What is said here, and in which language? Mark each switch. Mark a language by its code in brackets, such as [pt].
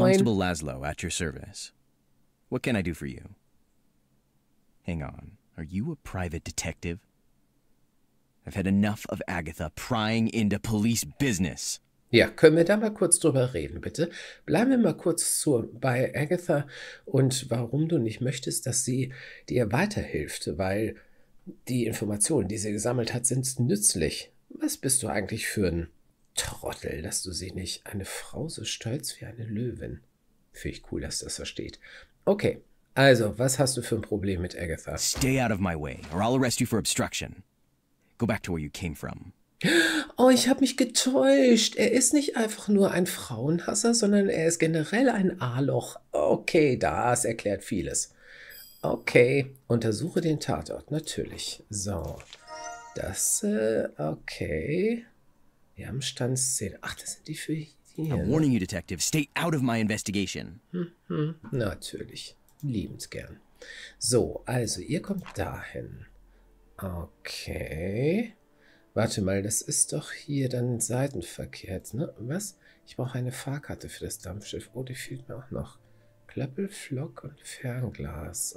[en] Constable Laszlo, at your service. What can I do for you? Hang on, are you a private detective? I've had enough of Agatha prying into police business. [de] Ja, können wir da mal kurz drüber reden, bitte? Bleiben wir mal kurz bei Agatha und warum du nicht möchtest, dass sie dir weiterhilft, weil die Informationen, die sie gesammelt hat, sind nützlich. Was bist du eigentlich für ein Trottel, dass du sie nicht eine Frau so stolz wie eine Löwin? Finde ich cool, dass das da steht. Okay, also, was hast du für ein Problem mit Agatha? [en] Stay out of my way, or I'll arrest you for obstruction. Go back to where you came from. [de] Oh, ich habe mich getäuscht. Er ist nicht einfach nur ein Frauenhasser, sondern er ist generell ein A-Loch. Okay, das erklärt vieles. Okay, untersuche den Tatort, natürlich. So, das, okay. Wir haben Standszene. Ach, das sind die für hier. [en] I'm warning you, Detective. Stay out of my investigation. [de] Natürlich, liebend gern. So, also, ihr kommt dahin. Okay. Warte mal, das ist doch hier dann seitenverkehrt, ne? Was? Ich brauche eine Fahrkarte für das Dampfschiff. Oh, die fehlt mir auch noch. Klöppel, Flock und Fernglas.